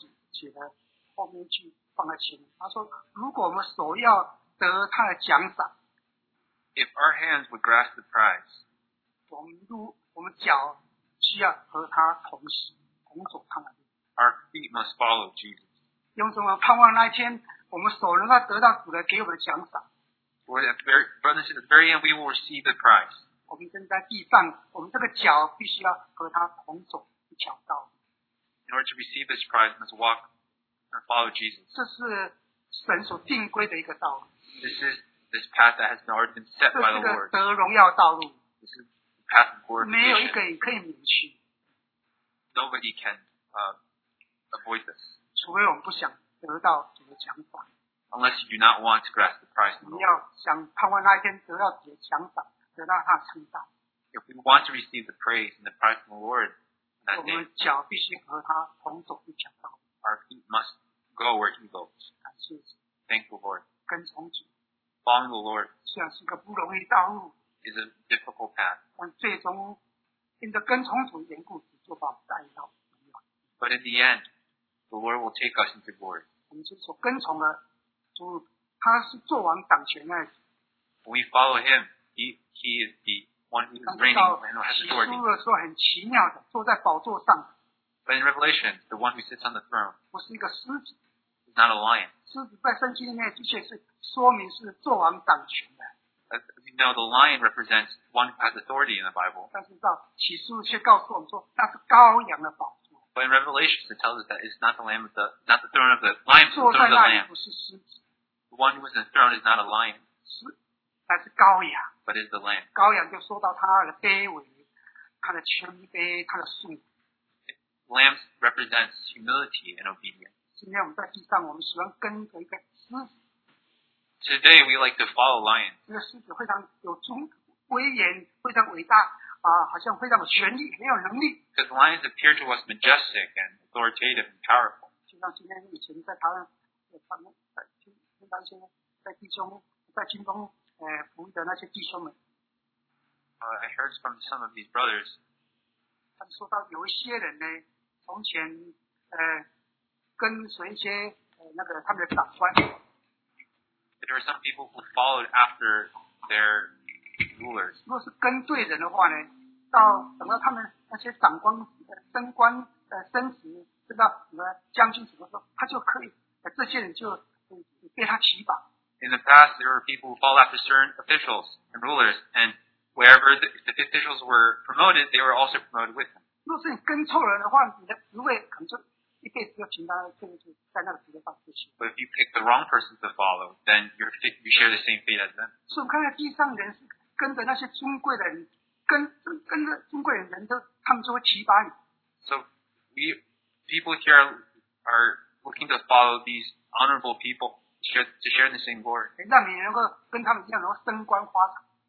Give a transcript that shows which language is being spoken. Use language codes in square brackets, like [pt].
[zh] 写的后面一句放在前面，他说：“如果我们手要得他的奖赏 [en] ，If our hands would grasp the prize， [zh] 我们脚需要和他同时同走他的路。 [en] Our feet must follow Jesus。 [zh] 用什么盼望那一天我们所能够得到主的给我们的奖赏。 [en] For the very, brothers, at the very end, we will receive the prize. [zh] 我们正在地上，我们这个脚必须要和他同走，去抢道。 [en] In order to receive this prize, we must walk and follow Jesus. [zh] 这是神所定规的一个道路。 [en] This path that has already been set by the Lord. [zh] 这是一个得荣耀道路。 [en] This is the path of glory. [zh] 没有一个人可以免去。 [en] Nobody can, avoid this. [zh] 除非我们不想得到主的奖赏。 [en] Unless you do not want to grasp the prize. [zh] 我们要想盼望那一天得到主的奖赏，得到他的称赞。 [en] If we want to receive the praise and the prize from the Lord, that day, [zh] 我们脚必须和他同走一条道。 [en] Our feet must go where he goes. [zh] 感谢主。 [en] Thank the Lord. [zh] 跟从主。 [en] Following the Lord. [zh] 虽然是个不容易的道路。 [en] Is a difficult path. [zh] 但最终，因着跟从主的缘故，就把我们带到。 [en] But in the end, the Lord will take us into glory. [zh] 我们是所跟从的主，他是作王掌权的。 [en] When we follow him, he is the one who is reigning and has authority. [zh] 启示录的时候很奇妙的，坐在宝座上。 [en] But in Revelation, the one who sits on the throne. [zh] 不是一个狮子。 [en] Is not a lion. [zh] 狮子在圣经里面的确是说明是作王掌权的。 [en] As you know, the lion represents one who has authority in the Bible. [zh] 但是到启示录却告诉我们说，那是羔羊的宝。 [en] But in Revelation, it tells us that it's not the lamb, of the, not the throne of the lion, but the throne of the lamb. The one who was in the throne is not a lion, [zh] 是, 但是羔羊, [en] but is the lamb. [zh] 羔羊就说到他的卑微, 他的谦卑, 他的顺服。 [en] Lamb represents humility and obedience. [zh] 今天我们在地上, 我们喜欢跟着一个狮子。 [en] Today, we like to follow lions. [zh] 这个狮子非常有忠威严, 非常伟大。好像非常有权力，很有能力。 [en] Because lions appear to us majestic and authoritative and powerful. [zh] 就像今天以前在台湾，那些在弟兄在军中服役的那些弟兄们。 [en] I heard from some of these brothers. [zh] 他们说到有一些人呢，从前跟随一些那个他们的长官。 [en] There are some people who followed after their rulers. [zh] 如果是跟对人的话呢？到等到他们那些长官升官升职，知道什么将军什么时候，他就可以，这些人就被他提拔。 [en] In the past, there were people who followed after certain officials and rulers, and wherever the officials were promoted, they were also promoted with them. [zh] 若是你跟错人的话，你的职位可能就一辈子就停在这个就在那个职位上继续。 [en] But if you pick the wrong person to follow, then you share the same fate as them. [zh] 所以我看到地上人是跟着那些尊贵的人。跟着尊贵的人都，他们就会提拔你。 [en] So we people here are looking to follow these honorable people to share the same glory. [zh] 让你能够跟他们一样，能够升官发财。